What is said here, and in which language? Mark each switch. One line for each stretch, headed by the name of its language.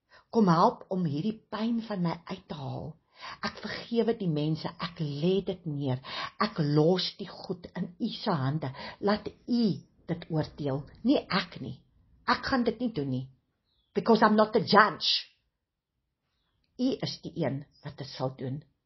Afrikaans: Kom help om hierdie pyn van my uit te haal. Ek vergewe die mense, ek lê dit neer. Ek los die goed in u se hande. Laat u dit oordeel, nie ek nie. Ek gaan dit nie doen nie.
English: Because I'm not the judge.
Afrikaans: U is die een wat dit sal doen.